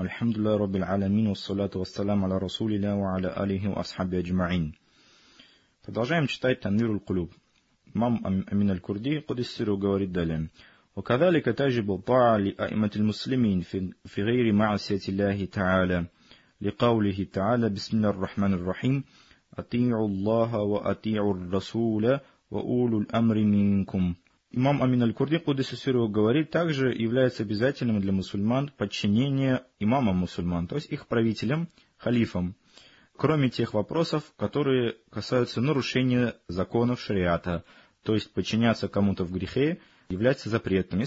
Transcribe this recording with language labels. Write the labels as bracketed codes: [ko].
[ar] الحمد لله رب العالمين, والصلاة والسلام على رسول الله وعلى آله وأصحابه أجمعين. [ru] продолжаем читать تنوير القلوب. [ar] مام أمين الكردي قد السيرو غوري الدلين. وكذلك تجب الطاعة لأئمة المسلمين في غير معصية الله تعالى, لقوله تعالى بسم الله الرحمن الرحيم, أطيعوا الله وأطيعوا الرسول وأولو الأمر منكم. [ru] Имам Амин Аль-Курди, Кудис Сирху, говорит, также является обязательным для мусульман подчинение имамам мусульман, то есть их правителям, халифам, кроме тех вопросов, которые касаются нарушения законов шариата, то есть подчиняться кому-то в грехе является запретным.